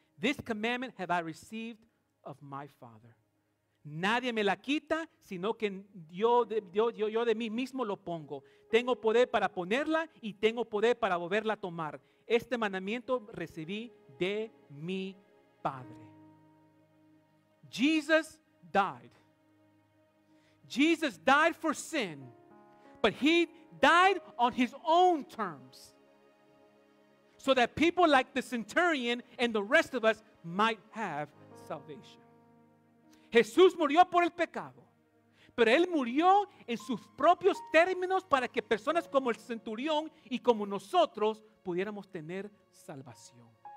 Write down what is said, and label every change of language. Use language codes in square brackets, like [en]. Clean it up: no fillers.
[en] This commandment have I received of my Father. [es] Nadie me la quita, sino que yo de mí mismo lo pongo. Tengo poder para ponerla, y tengo poder para volverla a tomar. Este mandamiento recibí de mi Padre. [en] Jesus died. Jesus died for sin, but he died on his own terms so that people like the centurion and the rest of us might have salvation. [es] Jesús murió por el pecado, pero él murió en sus propios términos para que personas como el centurión y como nosotros pudiéramos tener salvación.